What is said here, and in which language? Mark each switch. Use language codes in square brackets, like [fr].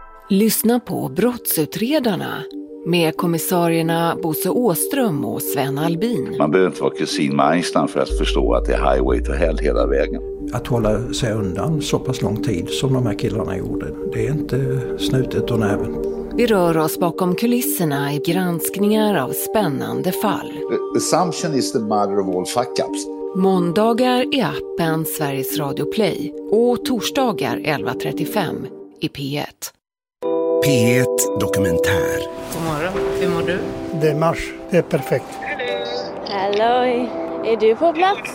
[sv] Lyssna på Brottsutredarna med kommissarierna Bosse Åström och Sven Albin. Man behöver inte vara Kristin Majstan för att förstå att det är [en] highway to hell [sv] hela vägen. Att hålla sig undan så pass lång tid som de här killarna gjorde, det är inte snutet och näven. Vi rör oss bakom kulisserna i granskningar av spännande fall. [en] Assumption is the mother of all fuck-ups. [sv] Måndagar i appen Sveriges Radio Play och torsdagar 11.35 i P1. P1 Dokumentär. God morgon, hur mår du? Det är mars, det är perfekt. Hallå, är du på plats?